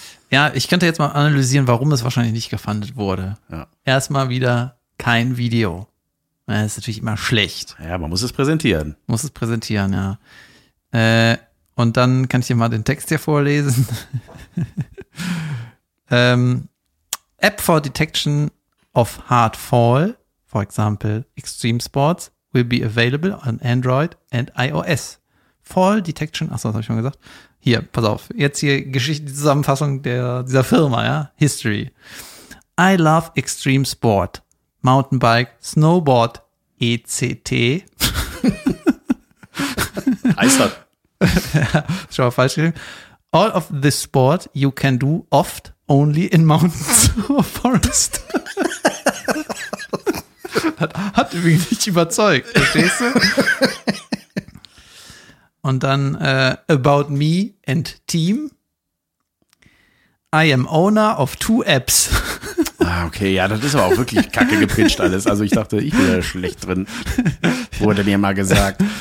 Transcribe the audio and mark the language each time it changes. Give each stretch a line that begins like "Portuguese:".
German: Ja, ich könnte jetzt mal analysieren, warum es wahrscheinlich nicht gefundet wurde. Ja. Erstmal wieder kein Video. Das ist natürlich immer schlecht. Ja, man muss es präsentieren. Muss es präsentieren, ja. Und dann kann ich dir mal den Text hier vorlesen.
English: App for detection of hard fall, for example, extreme sports, will be available on Android and iOS.
German: Fall detection, achso, was habe ich schon gesagt? Hier, pass auf, jetzt hier Geschichte, Zusammenfassung dieser Firma, ja, History.
English: I love extreme sport. Mountainbike, Snowboard, ECT.
German: Heißt das? Ja, schon mal falsch geschrieben.
English: All of this sport you can do oft only in mountains or forest.
German: hat übrigens nicht überzeugt, verstehst du? Und dann
English: about me and team. I am owner of 2 apps.
German: Ah, okay, ja, das ist aber auch wirklich kacke gepitcht alles. Also ich dachte, ich bin da schlecht drin, wurde mir mal gesagt.